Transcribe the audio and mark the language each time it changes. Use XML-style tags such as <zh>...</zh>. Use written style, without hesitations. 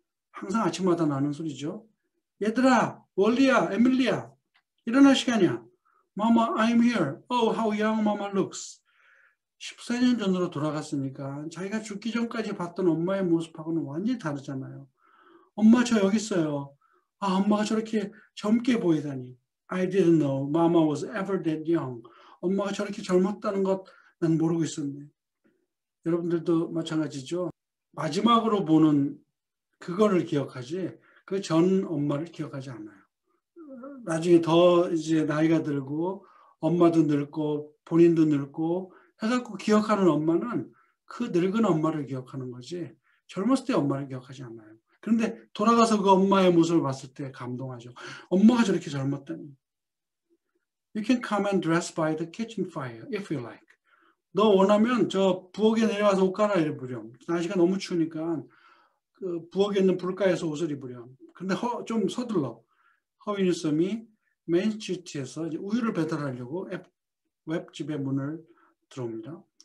<ko>항상 아침마다 나는 소리죠. 얘들아, 월리야, 에밀리야, 일어날 시간이야.</ko> <en>Mama, I'm here. Oh, how young Mama looks.</en> <ko>14년 전으로 돌아갔으니까 자기가 죽기 전까지 봤던 엄마의 모습하고는 완전히 다르잖아요. 엄마, 저 여기 있어요. 아, 엄마가 저렇게 젊게 보이다니.</ko> <en>I didn't know Mama was ever that young.</en> <ko>엄마가 저렇게 젊었다는 것난 모르고 있었네. 여러분들도 마찬가지죠. 마지막으로 보는 그거를 기억하지, 그전 엄마를 기억하지 않아요. 나중에 더 이제 나이가 들고, 엄마도 늙고, 본인도 늙고, 해갖고 기억하는 엄마는 그 늙은 엄마를 기억하는 거지, 젊었을 때 엄마를 기억하지 않아요. 그런데 돌아가서 그 엄마의 모습을 봤을 때 감동하죠. 엄마가 저렇게 젊었다니.</ko> <en>You can come and dress by the kitchen fire if you like.</en> <ko>너 원하면 저 부엌에 내려와서 옷 갈아입으렴. 날씨가 너무 추우니까 그 부엌에 있는 불가에서 옷을 입으렴. 근데 좀 서둘러. 허위 뉴스미 맨스트리트에서 우유를 배달하려고 웹집의 문을 들어옵니다.</ko>